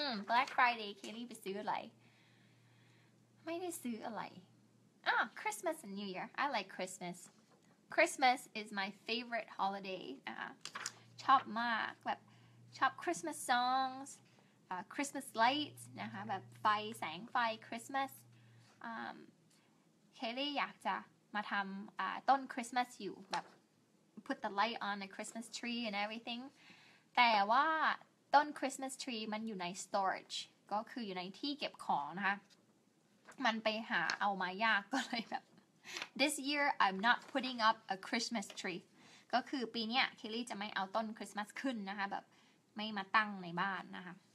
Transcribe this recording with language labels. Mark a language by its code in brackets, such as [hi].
[th] Black Friday คิดไปซื้ออะไรไม่ได้ซื้ออะไร [en] Oh, Christmas and New Year. I like Christmas. Christmas is my favorite holiday. [th] ชอบมากแบบชอบ [en] Christmas songs, Christmas lights, [th] นะคะแบบไฟแสงไฟ Christmas. Kaylee อยากจะมาทำต้น Christmas อยู่แบบ [en] put the light on the Christmas tree and everything. [th] แต่ว่าต้น Christmas tree มันอยู่ใน storage ก็คืออยู่ในที่เก็บของนะคะมันไปหาเอามายากก็เลยแบบ [en] This year I'm not putting up a Christmas tree [th] ก็คือปีนี้เคลลี่จะไม่เอาต้นคริสต์มาสขึ้นนะคะแบบไม่มาตั้งในบ้านนะคะ